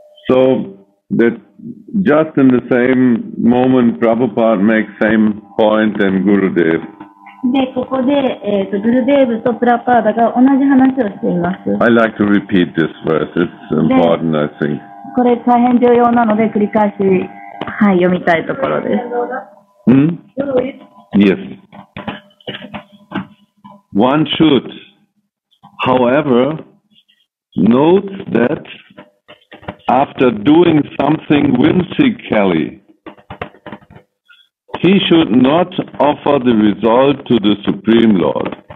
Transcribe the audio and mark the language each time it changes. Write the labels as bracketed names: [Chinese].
[English] So, that just in the same moment, Prabhupada makes same point and Gurudev. [Japanese] でここで、グルデーブとプラパーダが同じ話をしています。 [English] I like to repeat this verse. It's important, I think. [Japanese] これ大変重要なので繰り返し、はい、読みたいところです。 [English] Mm? Yes. One should, however, note that after doing something whimsically,He should not offer the result to the Supreme Lord.